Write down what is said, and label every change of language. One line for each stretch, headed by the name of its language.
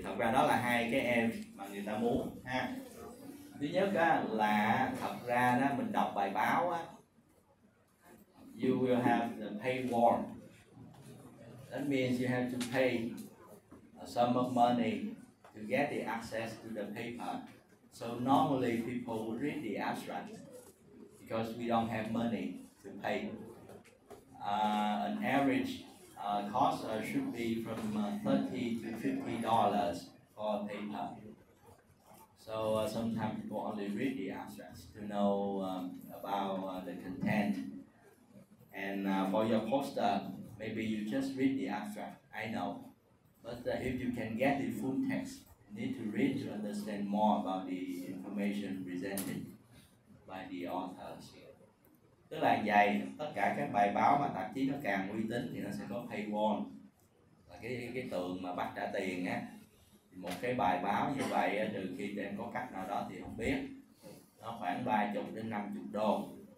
Vietnamese: Thật ra đó là hai cái em mà người ta muốn ha. Thứ nhất á, là thật ra đó, mình đọc bài báo á,
English: you will have the paywall. That means you have to pay a sum of money to get the access to the paper. So normally people would read the abstract because we don't have money to pay. An average cost should be from $30 to $50 for a paper. So sometimes people only read the abstract to know about the content. And for your poster, maybe you just read the abstract, I know. But if you can get the full text, you need to read to understand more about the information presented by the authors.
Vietnamese: Tức là vậy, tất cả các bài báo mà tạp chí nó càng uy tín thì nó sẽ có paywall, là cái tường mà bắt trả tiền á. Một cái bài báo như vậy, từ khi em có cách nào đó thì không biết, nó khoảng 30 đến 50 đô.